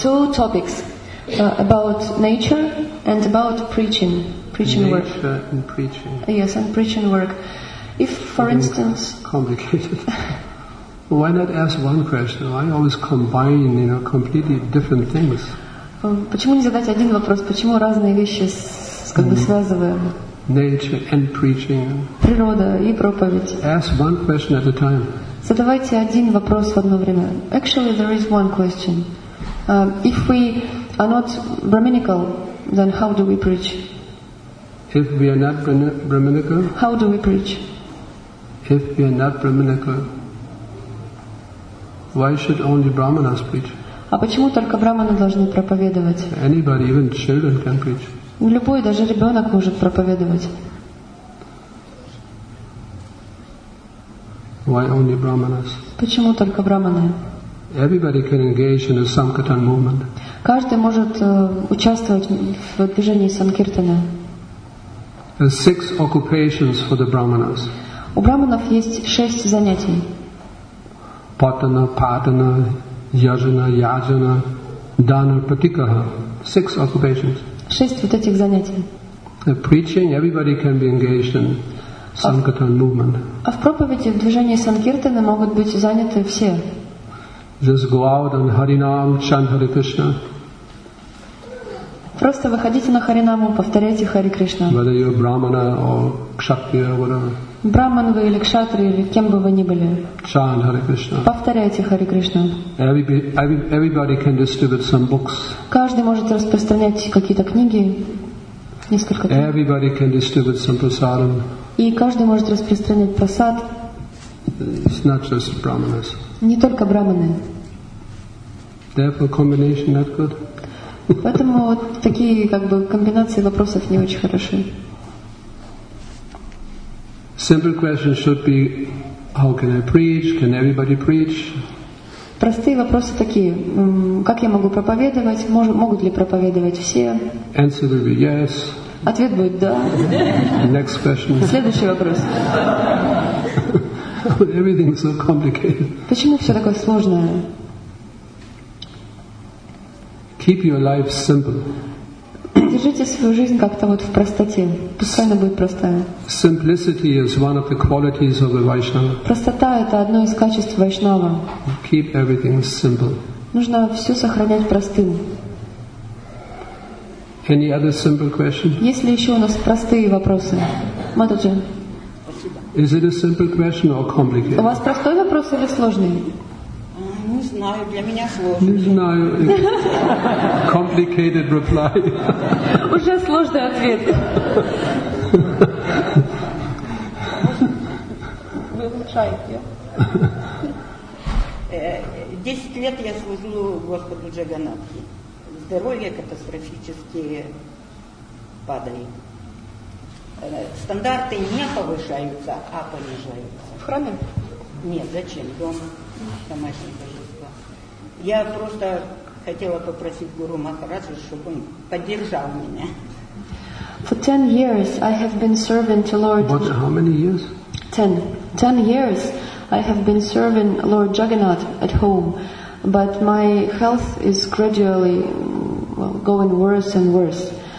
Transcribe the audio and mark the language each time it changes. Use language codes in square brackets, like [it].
[en] Two topics, about nature and about preaching nature work. Nature and preaching. Yes, and preaching work. If, for instance... Complicated. Why not ask one question? I always combine, you know, completely different things. [ru] Почему не задать один вопрос? Почему разные вещи как бы связываем? [en] Nature and preaching. [ru] Природа и проповедь. [en] Ask one question at a time. [ru] Задавайте один вопрос в одно время. [en] Actually, there is one question. If we are not brahminical, then how do we preach? If we are not brahminical? How do we preach? If we are not brahminical, why should only brahmanas preach? [ru] А почему только брахманы должны проповедовать? [en] Anybody, even children, can preach. [ru] Любой, даже ребенок может проповедовать. [en] Why only brahmanas? [ru] Почему только брахманы? [en] Everybody can engage in the Sankirtan movement. [ru] Каждый может участвовать в движении Санкиртана. [en] There's six occupations for the brahmanas. [ru] У брахманов есть шесть занятий. [sa] Патана, патана. Яжана, яджана, дана, патикаха. [en] Six occupations. [ru] Шесть вот этих занятий. [en] The preaching, everybody can be engaged in sankirtan movement. [ru] А в проповеди, в движении санкиртаны могут быть заняты все. [en] Just go out on Харинам, chant Hare Krishna. [ru] Просто выходите на Харинаму, повторяйте Харе Кришна. [en] Whether you're Brahmana or Kshatriya or whatever. [ru] Брахман вы или кшатри, или кем бы вы ни были. [en] Chant Hare Krishna. [ru] Повторяйте Харе Кришна. [en] Everybody can distribute some books. [ru] Каждый может распространять какие-то книги. Несколько книг. [en] Everybody can distribute some prasadam. [ru] И каждый может распространять прасад. [en] It's not just brahmanas. [ru] Не только брахманы. [en] Therefore combination not good. [ru] Поэтому вот такие как бы комбинации вопросов не очень хороши. [en] Simple question should be, how can I preach? Can everybody preach? [ru] Простые вопросы такие: как я могу проповедовать? Могут ли проповедовать все? [en] Answer will be yes. [ru] Ответ будет да. [en] Next question. [ru] Следующий вопрос. [en] Everything is so complicated. [ru] Почему все такое сложное? [en] Keep your life simple. [ru] Держите свою жизнь как-то вот в простоте. Пускай она будет простая. [en] Simplicity is one of the qualities of a Vaishnava. [ru] Простота — это одно из качеств Вайшнава. [en] Keep everything simple. [ru] Нужно все сохранять простым. [en] Any other simple question? [ru] Есть ли еще у нас простые вопросы? Матаджи. [en] Is it a simple question or complicated? [ru] У вас простой вопрос или сложный? Не знаю, для меня сложно. Не знаю. [en] Complicated reply. [ru] Уже сложный ответ. Вы улучшаете. 10 лет я служу Господу Джаганнатхи. Здоровье катастрофически падает. Стандарты не повышаются, а понижаются. В храме? Нет, зачем? Дома. Домашний пожар. Я просто хотела попросить Гуру Махараджа, чтобы он поддержал меня. [en] For 10 years I have been serving to Lord. What? How many years? 10. 10 years I have been serving Lord Jagannath at home, but my health is gradually going worse and worse.